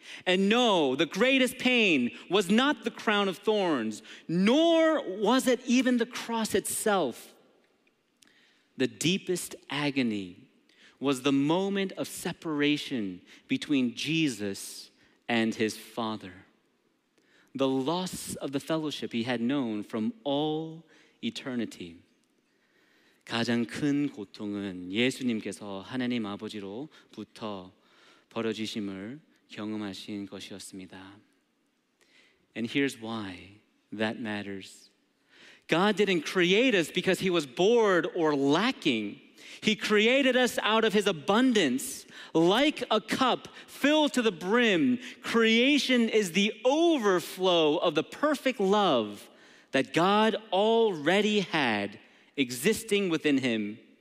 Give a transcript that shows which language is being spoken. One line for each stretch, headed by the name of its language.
English: And no, the greatest pain was not the crown of thorns, nor was it even the cross itself. The deepest agony was the moment of separation between Jesus and his Father. The loss of the fellowship he had known from all eternity.
Korean: 가장 큰 고통은 예수님께서 하나님 아버지로부터 버려지심을 경험하신 것이었습니다.
English: And here's why that matters. God didn't create us because he was bored or lacking. He created us out of his abundance, like a cup filled to the brim. Creation is the overflow of the perfect love that God already had existing within him.